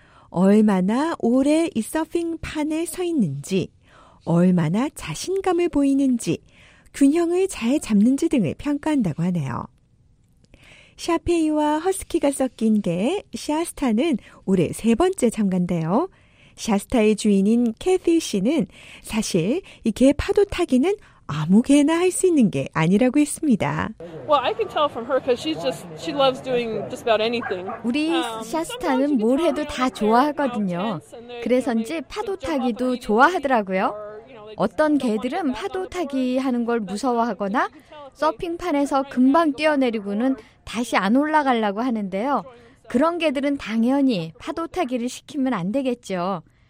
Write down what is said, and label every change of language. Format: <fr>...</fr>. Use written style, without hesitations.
<ko>얼마나 오래 이 서핑판에 서 있는지, 얼마나 자신감을 보이는지, 균형을 잘 잡는지 등을 평가한다고 하네요. 샤페이와 허스키가 섞인 개 샤스타는 올해 세 번째 참가인데요. 샤스타의 주인인 캐티 씨는 사실 이 개 파도 타기는 아무 개나 할 수 있는 게 아니라고 했습니다.</ko> <en>Well, I can tell from her because she loves doing just about anything.</en> <ko>우리 샤스타는 뭘 해도 다 좋아하거든요. 그래서인지 파도 타기도 좋아하더라고요. 어떤 개들은 파도 타기 하는 걸 무서워하거나 서핑판에서 금방 뛰어내리고는 다시 안 올라가려고 하는데요. 그런 개들은 당연히 파도 타기를 시키면 안 되겠죠.</ko>